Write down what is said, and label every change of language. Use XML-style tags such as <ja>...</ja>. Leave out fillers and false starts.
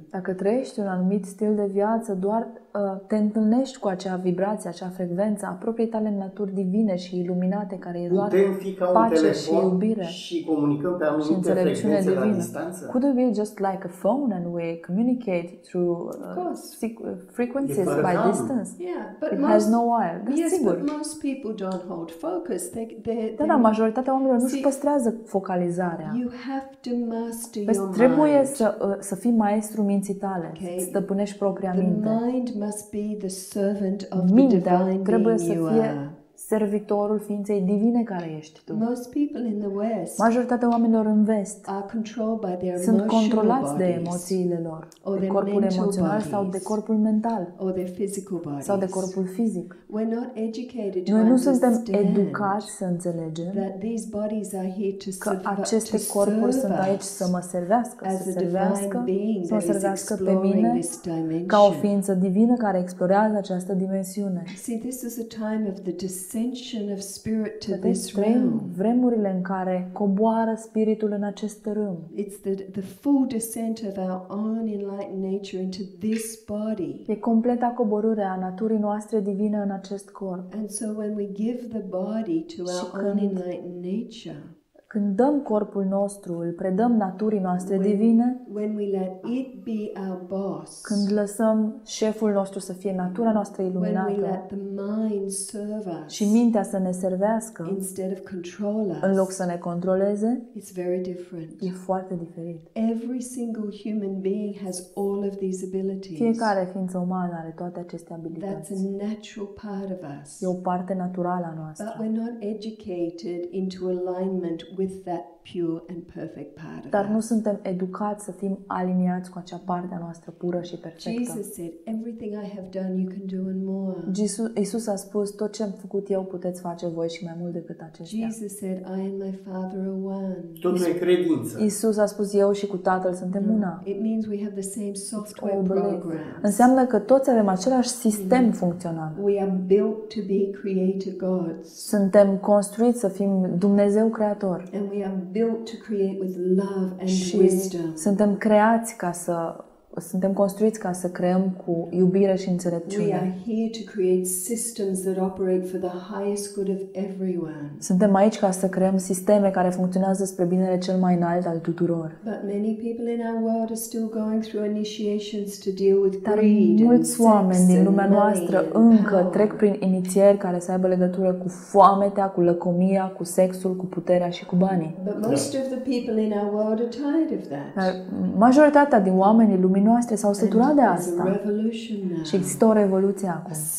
<ro>Dacă trăiești un anumit stil de viață, doar te întâlnești cu acea vibrație, acea frecvență a propriei tale naturi divine și iluminate, care e doar pace și iubire. Și comunicăm pe anumite înțelepciune divină.</ro> <en>Could it be just like a phone and we communicate through frequencies by distance? Yeah, but it most, has no wire. That's yes,</en> <ro>sigur.</ro> <en>But most people don't hold focus.</en> <ro>Da, majoritatea oamenilor nu își păstrează focalizarea.</ro> <en>You have to master your mind.</en> <ro>Trebuie să fii maestru minții tale, okay. Să stăpânești propria minte.</ro> <en>Must be the servant of the divine being you are.</en> <ro>Trebuie să fie servitorul ființei divine care ești tu.</ro> <en>Most people in the West,</en> <ro>majoritatea oamenilor în vest,</ro> <en>are controlled by their</en> <ro>sunt controlați de emoțiile lor, de corpul emoțional sau de corpul mental,</ro> <en>or their physical bodies.</en> <ro>Sau de corpul fizic.</ro> <en>We're not educated to</en> <ro>noi nu suntem educați să înțelegem</ro> <en>that these bodies are here to</en> <ro>că aceste corpuri sunt aici să mă servească, să mă servească pe mine ca o ființă divină care explorează această dimensiune.</ro> <en>See, this is a time of the ascension of spirit to this realm.</en> <ro>Vremurile în care coboară spiritul în acest râm.</ro> <en>It's the full descent of our own enlightened nature into this body.</en> <ro>E completa coborâre a naturii noastre divine în acest corp.</ro> <en>And so when we give the body to our own enlightened nature,</en> <ro>când dăm corpul nostru, îl predăm naturii noastre divine,</ro> <en>when we let it be our boss,</en> <ro>când lăsăm șeful nostru să fie natura noastră iluminată,</ro> <en>when we let the mind serve us,</en> <ro>și mintea să ne servească</ro> <en>instead of control us,</en> <ro>în loc să ne controleze,</ro> <en>it's very different.</en> <ro>E foarte diferit.</ro> <en>Every single human being has all of these abilities.</en> <ro>Fiecare ființă umană are toate aceste abilități.</ro> <en>That's a natural part of us.</en> <ro>E o parte naturală a noastră.</ro> <en>But we're not educated into alignment with that pure and perfect part of us.</en> <ro>Dar nu suntem educați să fim aliniați cu acea parte a noastră pură și perfectă.</ro> <en>Jesus said, everything I have done, you can do and more.</en> <ro>Iisus a spus, tot ce am făcut eu puteți face voi și mai mult decât aceștia.</ro> <en>Jesus said, I and my Father are one.</en> <ro>Totul e credință. Iisus a spus, eu și cu Tatăl suntem una.</ro> <en>It means we have the same software program.</en> <ro>Înseamnă că toți avem același sistem funcțional.</ro> <en>We are built to be creator gods.</en> <ro>Suntem construiți să fim Dumnezeu creator.</ro> <en>And we are built to create with love and wisdom.</en> <ro>Suntem creați ca să suntem construiți ca să creăm cu iubire și înțelepciune.</ro> <en>We are here to create systems that operate for the highest good of everyone.</en> <ro>Suntem aici ca să creăm sisteme care funcționează spre binele cel mai înalt al tuturor.</ro> <en>But many people in our world are still going through initiations to deal with greed.</en> <ro>Mulți oameni din lumea noastră încă trec prin inițieri care să aibă legătură cu foamea, cu lăcomia, cu sexul, cu puterea și cu banii.</ro> <en>But most of the people in our world are tired of that.</en> <ro>Majoritatea din oamenii vorbirii noastre, s-au săturat de asta. Și există o revoluție acum.</ro>